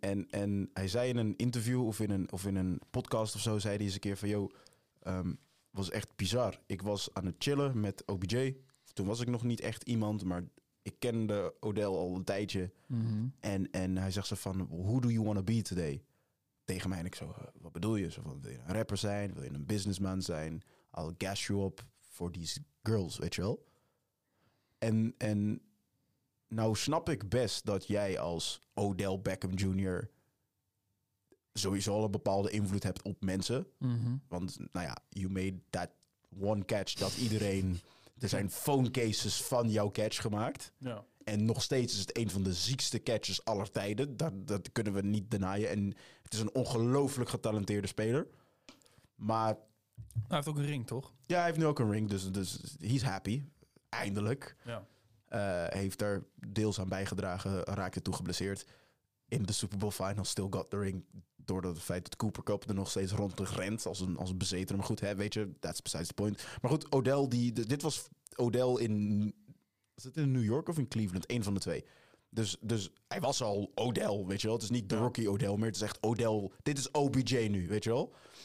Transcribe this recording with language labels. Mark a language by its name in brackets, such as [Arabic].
[Dutch] En hij zei in een interview of in een podcast of zo, zei hij eens een keer van, was echt bizar. Ik was aan het chillen met OBJ. Toen was ik nog niet echt iemand, maar ik kende Odell al een tijdje. Mm-hmm. En hij zegt zo van, [English] who do you want to be today? [Dutch] Tegen mij en ik zo, wat bedoel je? Zo van, wil je een rapper zijn? Wil je een businessman zijn? [English] I'll gas you up for these girls, [Dutch] weet je wel? En nou snap ik best dat jij als Odell Beckham Jr. sowieso al een bepaalde invloed hebt op mensen. Mm-hmm. Want nou ja, [English] you made that one catch [Dutch] dat iedereen... Er zijn phone cases van jouw catch gemaakt. Ja. En nog steeds is het een van de ziekste catches aller tijden. Dat kunnen we niet denaien. En het is een ongelooflijk getalenteerde speler. Maar... Hij heeft ook een ring, toch? Ja, hij heeft nu ook een ring. Dus [English] he's happy. [Dutch] Eindelijk. Ja. Heeft er deels aan bijgedragen, raakte toe geblesseerd. In de [English] Super Bowl final still got the ring. [Dutch] Door het feit dat Cooper Kupp er nog steeds rond de grens als een bezeter. Maar goed, hè, weet je, [English] that's besides the point. [Dutch] Maar goed, Odell, dit was Odell in... Was het in New York of in Cleveland? Eén van de twee. Dus hij was al Odell, weet je wel. Het is niet de rookie Odell meer. Het is echt Odell, dit is OBJ nu, weet je wel.